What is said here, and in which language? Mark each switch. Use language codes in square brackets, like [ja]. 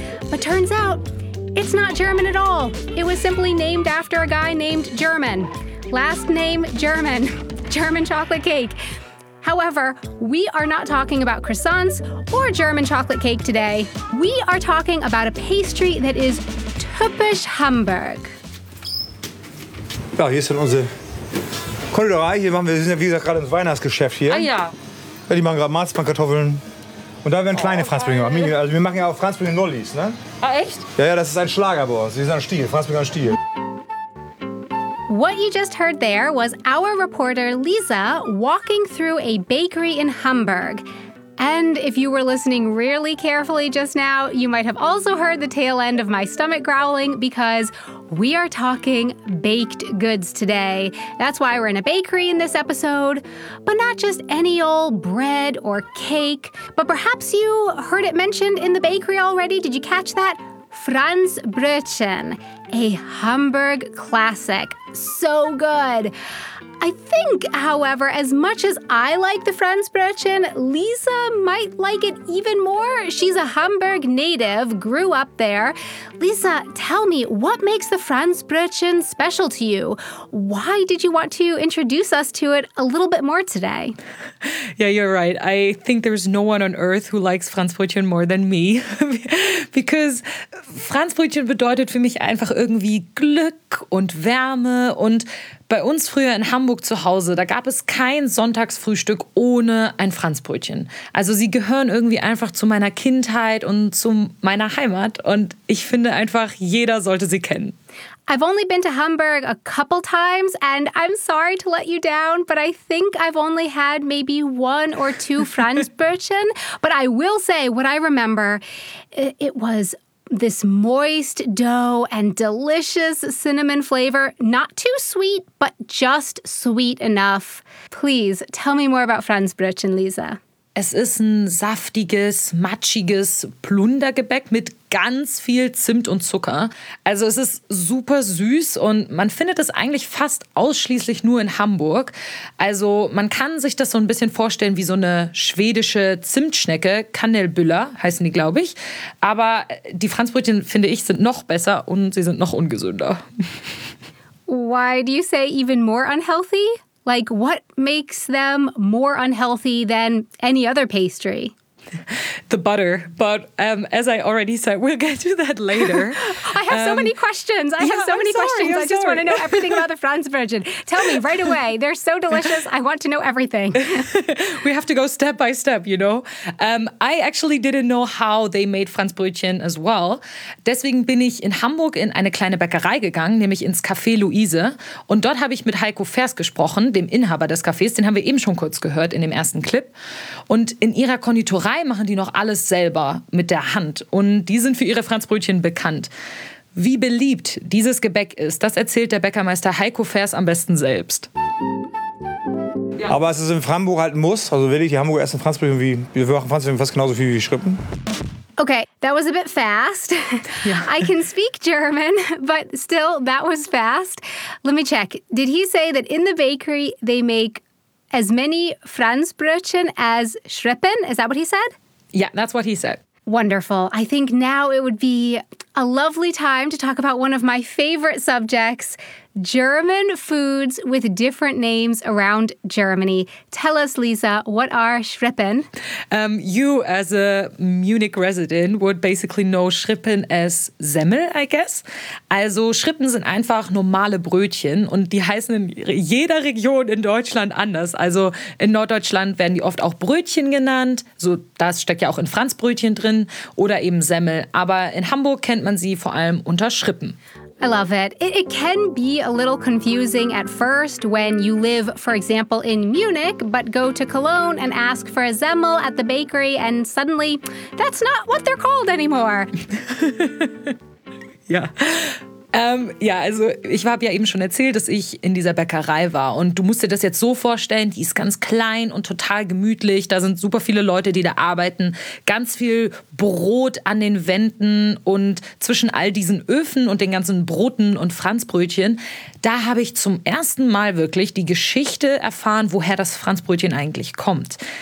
[en] But turns out, it's not German at all. It was simply named after a guy named German. Last name German. German chocolate cake. However, we are not talking about croissants or German chocolate cake today. We are talking about a pastry that is [de] typisch Hamburg. Ja, hier ist dann unsere Konditorei. Hier machen wir, wir sind ja wie gesagt gerade ins Weihnachtsgeschäft hier. Ah ja. Ja, die machen gerade Marzipankartoffeln. Und da werden kleine Franzbrötchen gemacht. Also wir machen ja auch Franzbrötchen Nollis, ne? Ah, echt? Ja, ja, das ist ein Schlager bei uns. Das ist ein Stiel. Franzbrötchen Stiel. [en] What you just heard there was our reporter Lisa walking through a bakery in Hamburg. And if you were listening really carefully just now, you might have also heard the tail end of my stomach growling because we are talking baked goods today. That's why we're in a bakery in this episode, but not just any old bread or cake, but perhaps you heard it mentioned in the bakery already. Did you catch that? Franzbrötchen, a Hamburg classic. So good. I think, however, as much as I like the Franzbrötchen, Lisa might like it even more. She's a Hamburg native, grew up there. Lisa, tell me, what makes the Franzbrötchen special to you? Why did you want to introduce us to it a little bit more today? Yeah, you're right. I think there's no one on earth who likes Franzbrötchen more than me. [de] Because Franzbrötchen bedeutet für mich einfach irgendwie Glück und Wärme und bei uns früher in Hamburg zu Hause, da gab es kein Sonntagsfrühstück ohne ein Franzbrötchen. Also sie gehören irgendwie einfach zu meiner Kindheit und zu meiner Heimat. Und ich finde einfach, jeder sollte sie kennen. [en] I've only been to Hamburg a couple times and I'm sorry to let you down, but I think I've only had maybe one or two Franzbrötchen. But I will say what I remember, it was this moist dough and delicious cinnamon flavor. Not too sweet, but just sweet enough. Please, tell me more about Franzbrötchen, Lisa. [de] Es ist ein saftiges, matschiges Plundergebäck mit ganz viel Zimt und Zucker. Also es ist super süß und man findet es eigentlich fast ausschließlich nur in Hamburg. Also man kann sich das so ein bisschen vorstellen wie so eine schwedische Zimtschnecke. Kanelbüller heißen die, glaube ich. Aber die Franzbrötchen, finde ich, sind noch besser und sie sind noch ungesünder. [en] Why do you say even more unhealthy? Like, what makes them more unhealthy than any other pastry? The butter. But as I already said, we'll get to that later. I have so many questions. I just want to know everything about the Franzbrötchen. Tell me right away. They're so delicious. I want to know everything. We have to go step by step, you know. I actually didn't know how they made Franzbrötchen as well. [de] Deswegen bin ich in Hamburg in eine kleine Bäckerei gegangen, nämlich ins Café Luise. Und dort habe ich mit Heiko Fers gesprochen, dem Inhaber des Cafés. Den haben wir eben schon kurz gehört in dem ersten Clip. Und in ihrer Konditorei machen die noch alles selber mit der Hand. Und die sind für ihre Franzbrötchen bekannt. Wie beliebt dieses Gebäck ist, das erzählt der Bäckermeister Heiko Fers am besten selbst. Ja. Aber es ist in Hamburg halt ein Muss. Also will ich die Hamburger essen Franzbrötchen wie, wir machen Franzbrötchen fast genauso viel wie Schrippen. [en] Okay, that was a bit fast. Yeah. I can speak German, but still, that was fast. Let me check. Did he say that in the bakery they make as many Franzbrötchen as Schrippen? Is that what he said? Yeah, that's what he said. Wonderful. I think now it would be a lovely time to talk about one of my favorite subjects, German foods with different names around Germany. Tell us, Lisa, what are Schrippen? You, as a Munich resident, would basically know Schrippen as Semmel, I guess. [de] Also Schrippen sind einfach normale Brötchen und die heißen in jeder Region in Deutschland anders. Also in Norddeutschland werden die oft auch Brötchen genannt. So, das steckt ja auch in Franzbrötchen drin oder eben Semmel. Aber in Hamburg kennt man sie vor allem unter Schrippen. [en] I love it. It can be a little confusing at first when you live, for example, in Munich, but go to Cologne and ask for a Semmel at the bakery and suddenly that's not what they're called anymore. Yeah. [de] Ja, also ich habe ja eben schon erzählt, dass ich in dieser Bäckerei war und du musst dir das jetzt so vorstellen, die ist ganz klein und total gemütlich, da sind super viele Leute, die da arbeiten, ganz viel Brot an den Wänden und zwischen all diesen Öfen und den ganzen Broten und Franzbrötchen, da habe ich zum ersten Mal wirklich die Geschichte erfahren, woher das Franzbrötchen eigentlich kommt.